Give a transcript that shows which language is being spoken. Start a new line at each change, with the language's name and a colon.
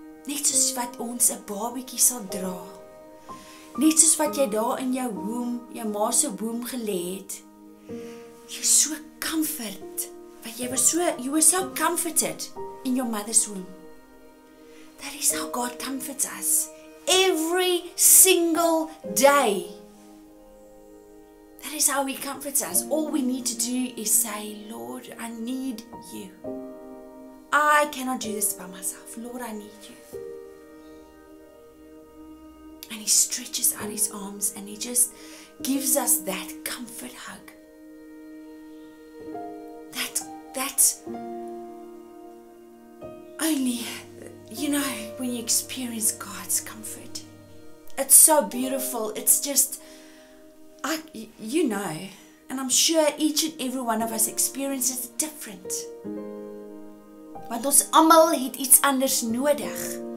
Afrikaans: Net soos wat ons 'n babietjie sal dra. Net soos wat jy daar in jou womb, jou ma se womb gelê het. Jy's so comfort.
English: But you were so comforted in your mother's womb. That is how God comforts us every single day. That is how he comforts us. All we need to do is say, Lord, I need you. I cannot do this by myself. Lord, I need you. And he stretches out his arms and he just gives us that comfort hug. That only, you know, when you experience God's comfort, it's so beautiful. It's just, you know, and I'm sure each and every one of us experiences it different.
Afrikaans: Want ons almal het iets anders nodig.